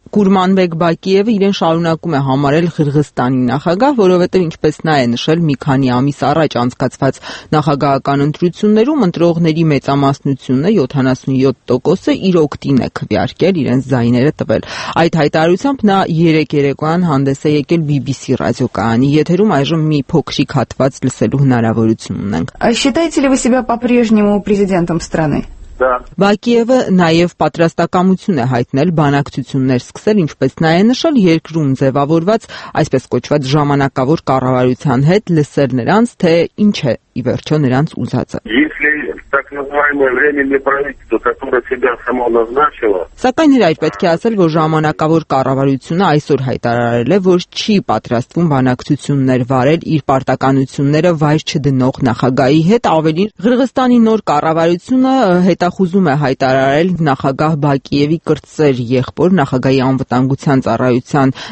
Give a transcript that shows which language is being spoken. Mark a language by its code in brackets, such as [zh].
[hy] Կուրմանբեկ Բակիևը իրեն շարունակում է համարել Ղրղստանի նախագահ, որովհետև ինչպես նա է նշել, մի քանի ամիս առաջ անցկացված նախագահական ընտրություններում ընտրողների մեծամասնությունը 77% իր օգտին է քվեարկել, իրենց ձայները տվել։ Այդ հայտարարությամբ նա 3 երեկոյան հանդես է եկել BBC ռադիոկայանի եթերում, այժմ մի փոքրիկ հատված լսելու հնարավորություն ունենք։ [ru] Считаете ли вы себя по-прежнему президентом страны? Да. [hy] Բակիևը նաև պատրաստակամություն է հայտնել բանակցություններ սկսել, ինչպես նա է նշել, երկրում ձևավորված այսպես կոչված ժամանակավոր կառավարության հետ լսել նրանց, թե ինչ է ի վերջո նրանց ուզածը։ Սակայն հրայր պետք է ասել, որ ժամանակավոր կառավարությունը այսօր հայտարարել է, որ չի պատրաստվում բանակցություններ վարել իր պարտականությունները վայր չդնող նախագահի հետ։ Ավելին, Ղրղստանի նոր կառավարությունը հետախուզում է հայտարարել նախագահ Բակիևի կրտսեր եղբոր նախագահի անվտանգության ծառայության